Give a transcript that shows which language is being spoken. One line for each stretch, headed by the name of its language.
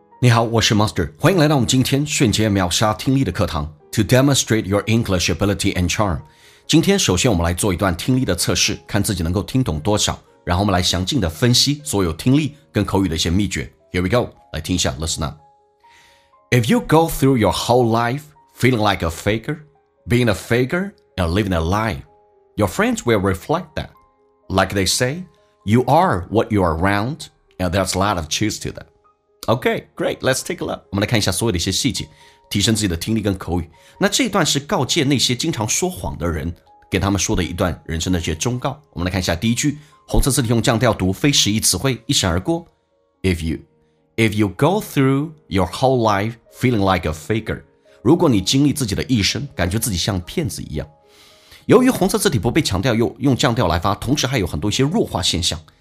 Chinese: 你好，我是 Master， 欢迎来到我们今天瞬间秒杀听力的课堂
English: To demonstrate your English ability and charm。
Chinese: 今天首先我们来做一段听力的测试，看自己能够听懂多少，然后我们来详尽的分析所有听力跟口语的一些秘诀。
English: Here we go，
Chinese: 来听一下
English: Listen up。 If you go through your whole life feeling like a faker, being a faker and living a lie, your friends will reflect that. Like they say, you are what you are around and there's a lot of truth to that. Okay, great, let's take a look.
Chinese: 我们来看一下所有的一些细节，提升自己的听力跟口语。那这一段是告诫那些经常说谎的人，给他们说的一段人生的一些忠告。我们来看一下第一句，红色字体用降调读，非实义词汇一闪而过。
English: If you go through your whole life feeling like a faker,
Chinese: 如果你经历自己的一生，感觉自己像骗子一样。由于红色字体不被强调，又用降调来发，同时还有很多一些弱化现象。